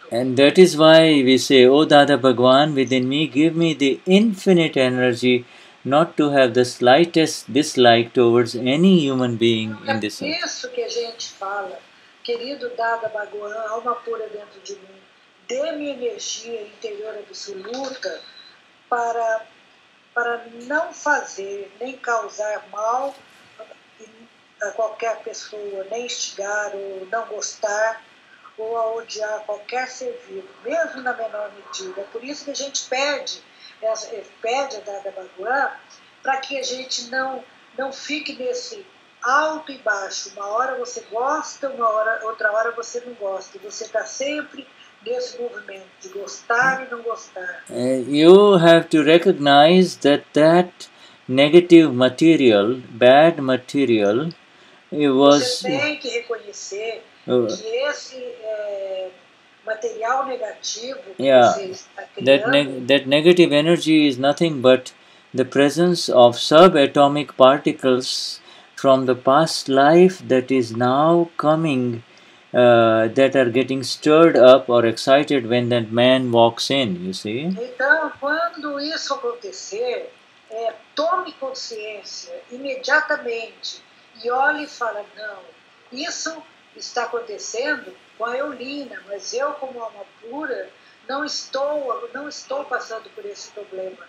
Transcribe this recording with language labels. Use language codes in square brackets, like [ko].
[en] And that is why we say, O Dada Bhagwan, within me, give me the infinite energy not to have the slightest dislike towards any human being in this [pt] world. É isso que a gente fala. Querido Dada Bhagwan, alma pura dentro de mim, dê-me energia interior absoluta para não fazer nem causar mal a qualquer pessoa, nem instigar ou não gostar ou a odiar qualquer ser vivo, mesmo na menor medida. Por isso que a gente pede a Dada Bhagwan para que a gente não fique nesse alto e baixo. Uma hora você gosta, outra hora você não gosta. Você está sempre desse movimento, de gostar e não gostar. [en] You have to recognize that negative material, bad material, it was... [pt] Você tem que reconhecer que esse material negativo que você está criando... [en] That negative energy is nothing but the presence of subatomic particles from the past life that is now coming... that are getting stirred up or excited when that man walks in, you see. [pt] Então, quando isso acontecer, tome consciência imediatamente e olhe e fala, não, isso está acontecendo com a Eulina, mas eu como alma pura não estou passando por esse problema.